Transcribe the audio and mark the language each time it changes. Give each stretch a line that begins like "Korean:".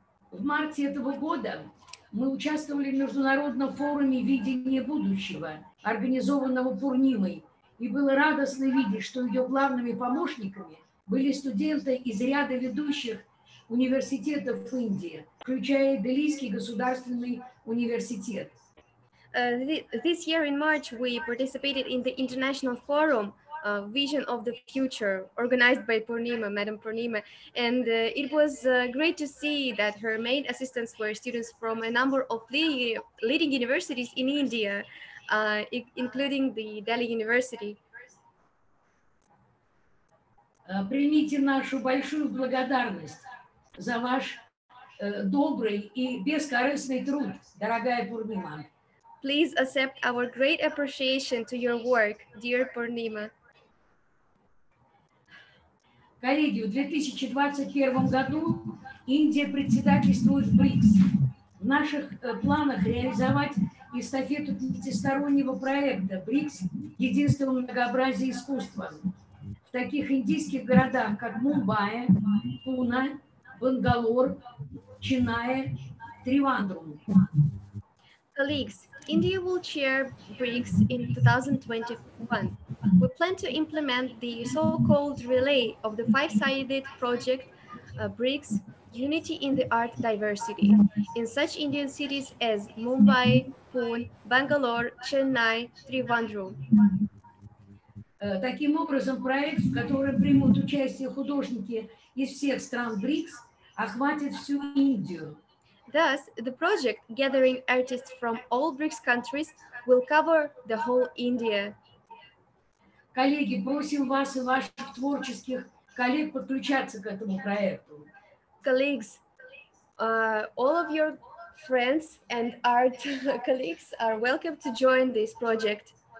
Russian: В марте этого года мы участвовали в международном форуме «Видение будущего», организованного Пурнимой, и было радостно видеть, что ее главными помощниками были студенты из ряда ведущих университетов в Индии, включая Делийский государственный университет.
English: This year in March, we participated in the international forum Vision of the Future, organized by Purnima, Madam Purnima. And it was great to see that her main assistants were students from a number of leading universities in India, including the Delhi University.
Russian: Примите нашу большую благодарность за ваш добрый и бескорыстный труд, дорогая Пурнима.
English: Please accept our great appreciation to your work, dear Purnima.
Russian: Коллеги, в 2021 году Индия председательствует в БРИКС. В наших планах реализовать эстафету пятистороннего проекта БРИКС «Единственное многообразие искусства» в таких индийских городах, как Мумбаи, Пуна, Бангалор, Ченнаи, Тривандрум.
English: Colleagues, India will chair BRICS in 2021. We plan to implement the so-called relay of the five-sided project BRICS, Unity in the Art Diversity, in such Indian cities as Mumbai, Pune, Bangalore, Chennai, Trivandrum.
Russian: Таким образом, проект, в котором примут участие художники из всех стран BRICS, охватит всю Индию.
English: Thus, the project gathering artists from all BRICS countries will cover the whole India.
Russian: Коллеги, просим вас и ваших творческих коллег подключаться к этому проекту.
English: Colleagues, all of your friends and art colleagues are welcome to join this project.